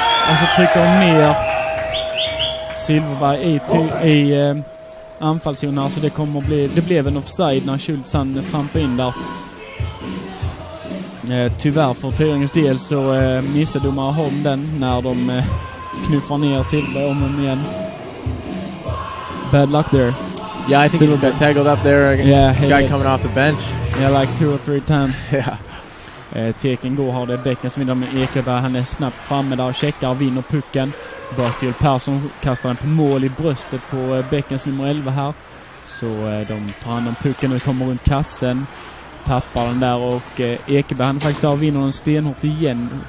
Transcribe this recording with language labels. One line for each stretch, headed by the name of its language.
Swedish: Och så trycker han ner Silverberg i anfallszonen. Så det kommer bli, det blev en offside när Schultz han trampar in där. Tyvärr för Tyringens del så missade domare Holm den när de knuffar ner Silver om och igen.
English: Bad luck there. Yeah, I think Silver got tangled up there against the guy coming off the bench. Yeah, like two or three times. Yeah.
Swedish: Teken går här, det är Bäcken som vinner med Ekeberg. Han är snabbt framme där och checkar och vinner pucken. Bertil Persson kastar den på mål i bröstet på Bäckens nummer 11 här. Så de tar hand om pucken och kommer runt kassen. Tappar den där och Ekeberg han faktiskt där vinner en stenhårt igen.